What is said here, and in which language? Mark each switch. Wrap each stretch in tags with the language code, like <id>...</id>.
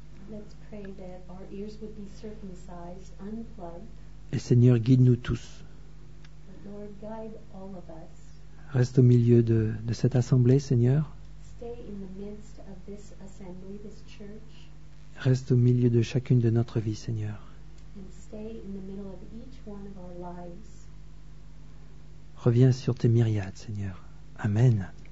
<en>Let's pray that our ears would be circumcised, unplugged.</en> <fr>Et Seigneur, guide-nous tous.</fr> <en>Lord, guide all of us.</en> <fr>Reste au milieu de cette assemblée, Seigneur.</fr> <en>Stay in the midst of this assembly, this church.</en> <fr>Reste au milieu de chacune de notre vie, Seigneur.</fr> <en>And stay in the middle of each one of our lives.</en> <fr>Reviens sur tes myriades, Seigneur. Amen.</fr>